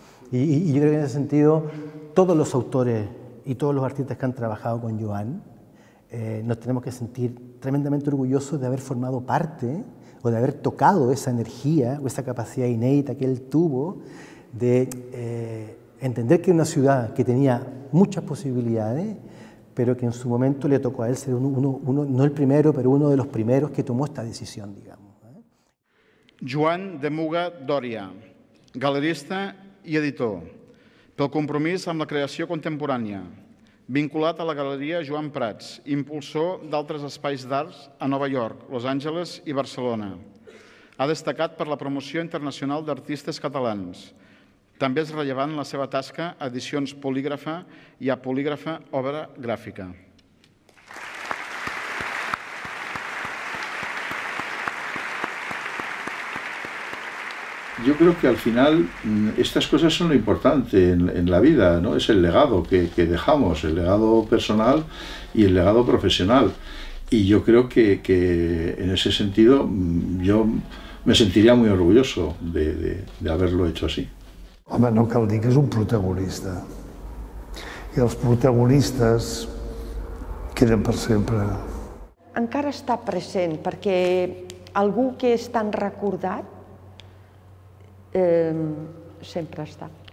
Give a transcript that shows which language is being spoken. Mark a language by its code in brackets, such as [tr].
[es] Y yo creo que en ese sentido, todos los autores y todos los artistas que han trabajado con Joan, nos tenemos que sentir tremendamente orgullosos de haber formado parte o de haber tocado esa energía o esa capacidad inédita que él tuvo de entender que una ciudad que tenía muchas posibilidades, pero que en su momento le tocó a él ser uno, no el primero, pero uno de los primeros que tomó esta decisión, digamos. [ca] Joan de Muga Doria, galerista i editor, pel compromís amb la creació contemporània, vinculat a la galeria Joan Prats, impulsor d'altres espais d'arts a Nova York, Los Angeles i Barcelona. Ha destacat per la promoció internacional d'artistes catalans. També és rellevant la seva tasca a edicions polígrafa i a polígrafa obra gràfica. [es] Yo creo que al final estas cosas son lo importante en la vida, ¿no? Es el legado que dejamos, el legado personal y el legado profesional. Y yo creo que en ese sentido yo me sentiría muy orgulloso de haberlo hecho así. [ca] Home, no cal dir que és un protagonista. I els protagonistes queden per sempre. Encara està present perquè algú que és tan recordat sempre està.